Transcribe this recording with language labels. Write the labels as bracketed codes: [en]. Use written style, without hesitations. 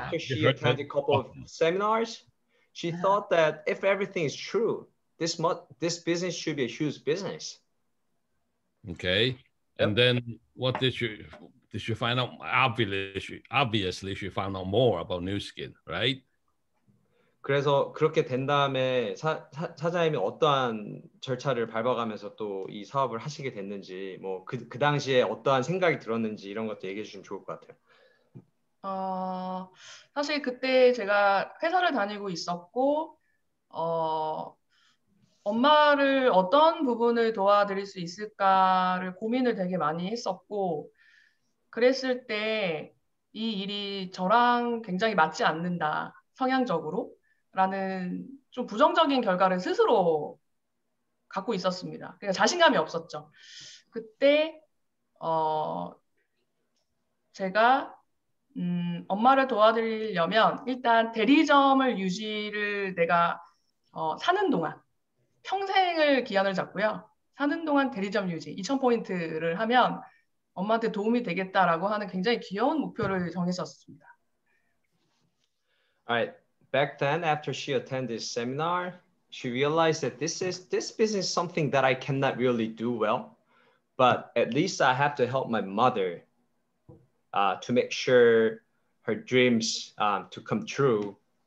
[en] After she attended a couple of seminars, she thought that if everything is true, this business should be a huge business. Okay. And then what did she find out? Obviously she found out more about New Skin, right? [ko] 그래서 그렇게 된 다음에 사장님이 어떠한 절차를 밟아가면서 또 이 사업을 하시게 됐는지 뭐 그 당시에 어떠한 생각이 들었는지 이런 것도 얘기해 주시면 좋을 것 같아요. 사실 그때 제가 회사를 다니고 있었고 엄마를 어떤 부분을 도와드릴 수 있을까를 고민을 되게 많이 했었고 그랬을 때 이 일이 저랑 굉장히 맞지 않는다 성향적으로 라는 좀 부정적인 결과를 스스로 갖고 있었습니다. 그러니까 자신감이 없었죠. 그때 제가 엄마를 도와드리려면 일단 대리점을 유지를 내가 사는 동안 평생을 기한을 잡고요. 사는 동안 대리점 유지, 2000포인트를 하면 엄마한테 도움이 되겠다라고 하는 굉장히 귀여운 목표를 정했었습니다. [en] All right. Back then, after she attended this seminar, she realized that this business is something that I cannot really do well, but at least I have to help my mother to make sure her dreams to come true.